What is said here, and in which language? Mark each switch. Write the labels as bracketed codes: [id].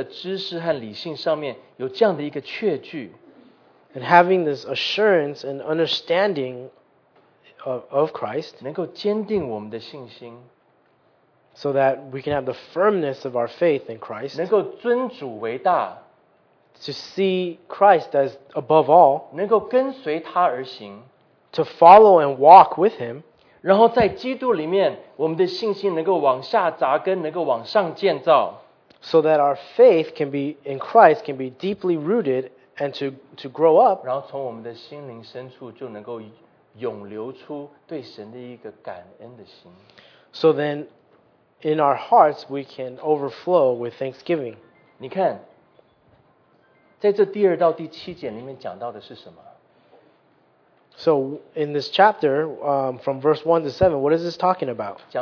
[zh] 对神、对耶稣的知识和理性上面有这样的一个确据， [en] and having this assurance and understanding of Christ, [zh] 能够坚定我们的信心， [en] so that we can have the firmness of our faith in Christ, [zh] 能够尊主为大， [en] to see Christ as above all, [zh] 能够跟随他而行， [en] to follow and walk with Him. [zh] 然后在基督里面，我们的信心能够往下扎根，能够往上建造。 [en] So that our faith can be in Christ can be deeply rooted and to grow up. [zh] 然后从我们的心灵深处就能够涌流出对神的一个感恩的心。 [en] So then, in our hearts we can overflow with thanksgiving. [zh] 你看，在这第二到第七节里面讲到的是什么？ [en] So in this chapter, from verse 1 to 7, what is this talking about?